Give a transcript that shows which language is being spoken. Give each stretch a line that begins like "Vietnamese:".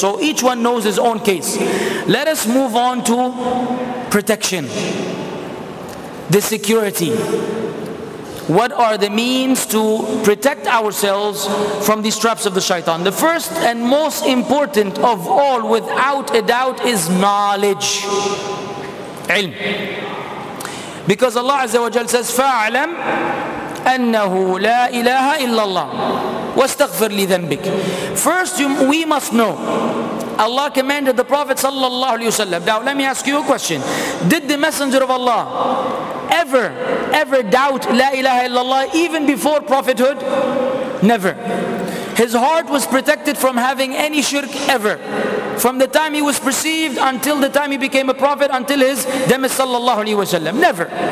English: So each one knows his own case. Let us move on to protection, the security. What are the means to protect ourselves from these traps of the shaitan? The first and most important of all, without a doubt, is knowledge.
Arabic: علم.
English: Because Allah Azza wa Jalla says,
Arabic: فَاعْلَمْ أَنَّهُ لَا إِلَهَ إِلَّا اللَّهُ وَاسْتَغْفِرْ لِذَنْبِكَ.
English: First, we must know. Allah commanded the Prophet sallallahu alayhi wa sallam. Now let me ask you a question. Did the Messenger of Allah ever doubt La ilaha illallah even before prophethood? Never. His heart was protected from having any shirk ever. From the time he was perceived until the time he became a prophet until his demise sallallahu alayhi wa sallam. Never.